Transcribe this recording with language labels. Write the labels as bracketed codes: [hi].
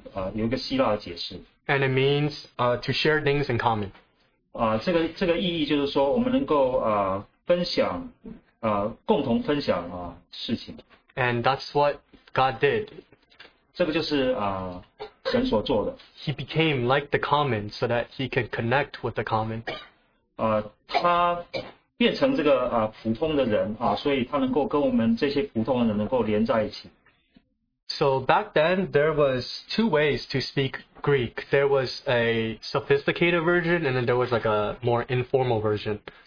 [zh] 在希腊文这个交通是，就是有一个希腊的解释。And [en] it means to share things in common. [zh] 这个意义就是说我们能够分享。共同分享事情。And [en] that's what God did. [zh] 这个就是神所做的。He [en] became like the common so that he could connect with the common. [zh] 他变成这个普通的人，所以他能够跟我们这些普通的人能够连在一起。So [en] back then, there was two ways to speak Greek. There was a sophisticated version, and then there was like a more informal version.